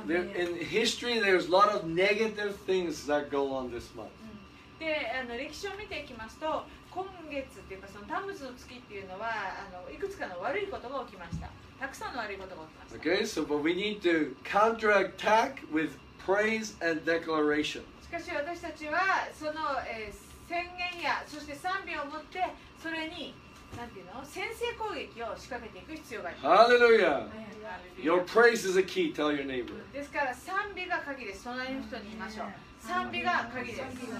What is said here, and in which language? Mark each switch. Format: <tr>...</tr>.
<en>There, in history, there's a lot of negative things that go on this month.</en> <ja>で、歴史を見ていきますと、今月っていうかそのタムズの月っていうのは、いくつかの悪いことが起きました。たくさんの悪いことが起きました。</ja> <en>Okay, so but we need to counterattack withPraise and declaration.</en> <ja>しかし私たちはその、宣言やそして賛美を持ってそれに先制攻撃を仕掛けていく必要があります。</ja> <en>Hallelujah! Your praise is a key. Tell your neighbor.</en> <ja>ですから賛美が鍵です。隣の人に言いましょう。賛美が鍵です。</ja>